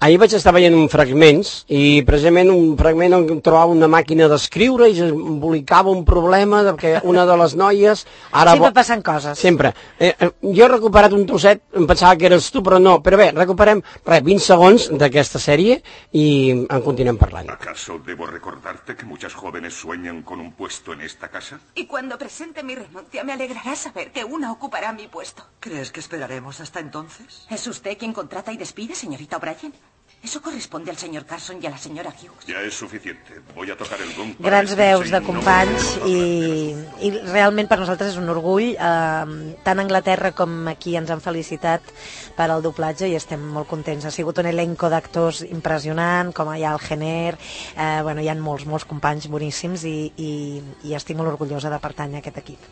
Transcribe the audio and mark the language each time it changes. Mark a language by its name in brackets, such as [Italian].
[Catalan] Ahir vaig estar veient uns fragments, i precisament un fragment on trobava una màquina d'escriure i embolicava un problema perquè una de les noies... Ara sempre passen coses. Sempre. Jo he recuperat un trosset, em pensava que eres tu, però no. Però bé, recuperem 20 segons d'aquesta sèrie i en continuem parlant. [Spanish] ¿Acaso debo recordarte que muchas jóvenes sueñan con un puesto en esta casa? Y cuando presente mi renuncia me alegrará saber que una ocupará mi puesto. ¿Crees que esperaremos hasta entonces? ¿Es usted quien contrata y despide, señorita O'Brien? Eso corresponde al señor Carson y a la señora Hughes. Ya es suficiente. Voy a tocar el gong. [Catalan] Grans veus de companys, i realment per nosaltres és un orgull. Tant Anglaterra com aquí ens han felicitat per al doblatge i estem molt contents. Ha sigut un elenco d'actors impressionant, com hi ha el Jenner, bueno, hi ha molts companys boníssims, i estic molt orgullosa de pertànyer a aquest equip.